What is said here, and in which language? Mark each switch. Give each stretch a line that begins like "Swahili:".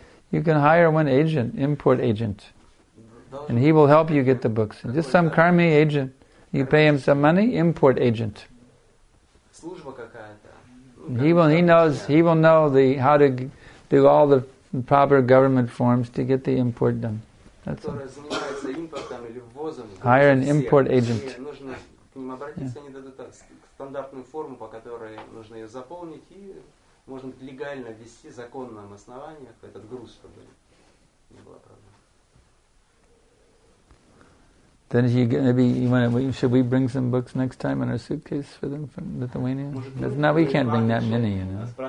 English: You can hire one agent, import agent. And he will help you get the books. And just some karmi agent. You pay him some money, import agent.
Russian: Служба какая-то.
English: He will know how to do all the proper government forms to get the import done. That's all.
Russian: Занимается импортом или ввозом.
English: Hire an import agent.
Russian: Нужно к ним обратиться, они дадут стандартную форму, по которой нужно ее заполнить, и можно легально ввести законным основанием этот груз, чтобы не было проблем.
English: Then should we bring some books next time in our suitcase for them from Lithuania? No, we can't bring that many, you know.